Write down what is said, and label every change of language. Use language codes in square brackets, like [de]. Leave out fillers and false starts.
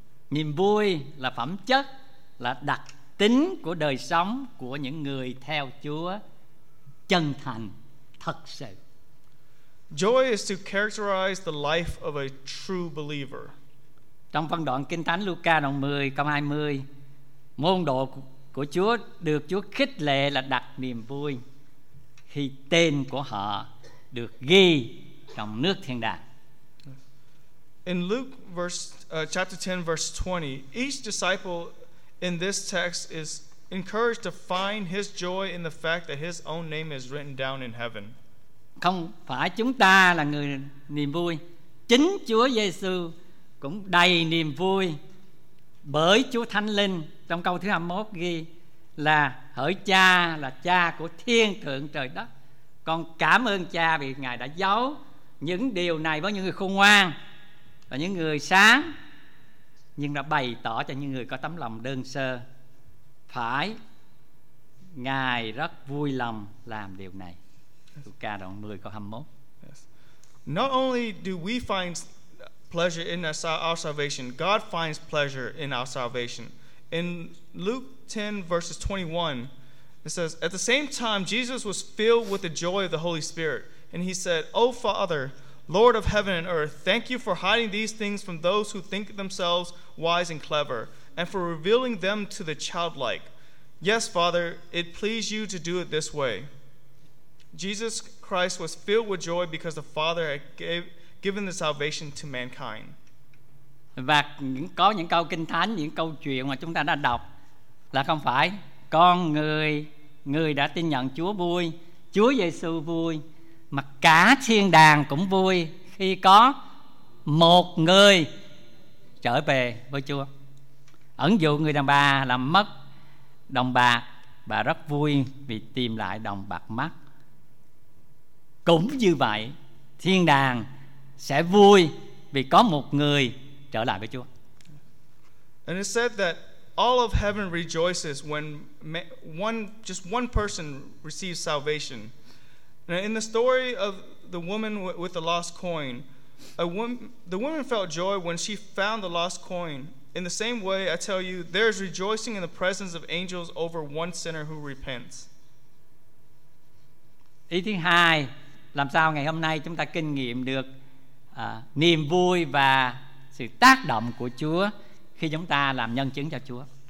[vi] Niềm vui là phẩm chất, là đặc tính của đời sống của những người theo Chúa chân thành, thật sự. [en] Joy is to characterize the life of a true believer. [vi] Trong phân đoạn Kinh Thánh Luca đoạn 10 câu 20, môn đồ của Chúa được Chúa khích lệ là đặt niềm vui khi tên của họ được ghi trong nước thiên đàng. [en] In Luke verse chapter 10 verse 20, each disciple in this text is encouraged to find his joy in the fact that his own name is written down in heaven. [vi] Không phải chúng ta là người niềm vui, chính Chúa Giêsu cũng đầy niềm vui bởi Chúa Thánh Linh. Trong câu thứ 21 ghi là hỡi Cha là Cha của thiên thượng trời đất, con cảm ơn Cha vì Ngài đã giấu những điều này với những người khôn ngoan và những người sáng, nhưng đã bày tỏ cho những người có tấm lòng đơn sơ. Phải, Ngài rất vui lòng làm điều này. Luca đoạn 10 câu 21. [en] Not only do we find pleasure in our salvation, God finds pleasure in our salvation. In Luke 10 verses 21, it says, at the same time Jesus was filled with the joy of the Holy Spirit, and he said, O Father, Lord of heaven and earth, thank you for hiding these things from those who think themselves wise and clever, and for revealing them to the childlike. Yes, Father, it pleased you to do it this way. Jesus Christ was filled with joy because the Father had given the salvation to mankind. [vi] Và có những câu kinh thánh, những câu chuyện mà chúng ta đã đọc là không phải con người, người đã tin nhận Chúa vui, Chúa Giêsu vui, mà cả thiên đàng cũng vui khi có một người trở về với Chúa. Ẩn dụ người đàn bà làm mất đồng bạc, bà rất vui vì tìm lại đồng bạc mất. Cũng như vậy, thiên đàng sẽ vui vì có một người trở lại với Chúa. [en] And it said that all of heaven rejoices when one person receives salvation. Now in the story of the woman with the lost coin, the woman felt joy when she found the lost coin. In the same way, I tell you, there is rejoicing in the presence of angels over one sinner who repents. [vi] Ý thứ hai, làm sao ngày hôm nay chúng ta kinh nghiệm được niềm vui và sự tác động của Chúa khi chúng ta làm nhân chứng cho Chúa.